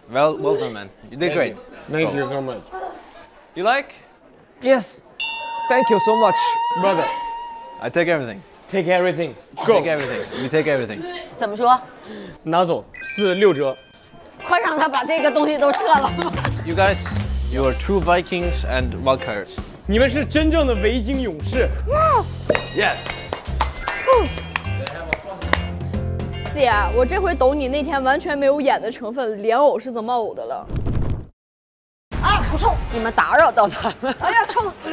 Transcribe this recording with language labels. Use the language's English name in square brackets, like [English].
[English] Well done, man. You did great. Thank you so much. You like? Yes. Thank you so much, brother. I take everything. Take everything. Go. Take everything. You take everything. [Chinese] 怎么说？拿走四六折。快让他把这个东西都撤了。 [English] You guys, you are true Vikings and Valkyries. [Chinese] 你们是真正的维京勇士。 [English] Yes. Yes. [Chinese] 姐，我这回懂你那天完全没有演的成分，莲藕是怎么藕的了？啊，好臭！你们打扰到他了。哎呀，臭！